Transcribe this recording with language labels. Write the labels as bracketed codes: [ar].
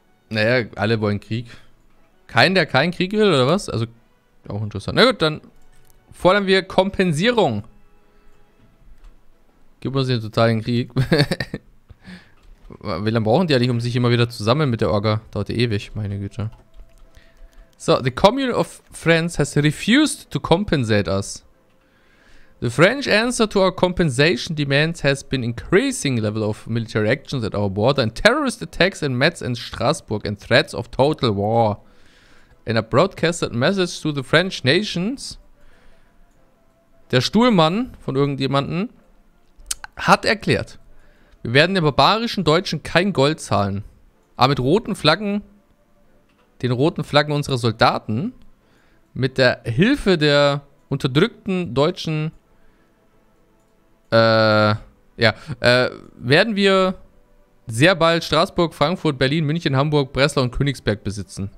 [de] Naja, alle wollen Krieg. Keinen, der keinen Krieg will, oder was? Also, auch interessant. Na gut, dann fordern wir Kompensierung. Gib uns den totalen Krieg. Wie lange brauchen die eigentlich, um sich immer wieder zu sammeln mit der Orga? Dauert ewig, meine Güte. [en] So, the Commune of France has refused to compensate us. The French answer to our compensation demands has been increasing level of military actions at our border and terrorist attacks in Metz and Strasbourg and threats of total war. In a broadcasted message to the French nations, [de] der Stuhlmann von irgendjemanden hat erklärt, wir werden den barbarischen Deutschen kein Gold zahlen, aber mit roten Flaggen, den roten Flaggen unserer Soldaten, mit der Hilfe der unterdrückten Deutschen, werden wir sehr bald Straßburg, Frankfurt, Berlin, München, Hamburg, Breslau und Königsberg besitzen.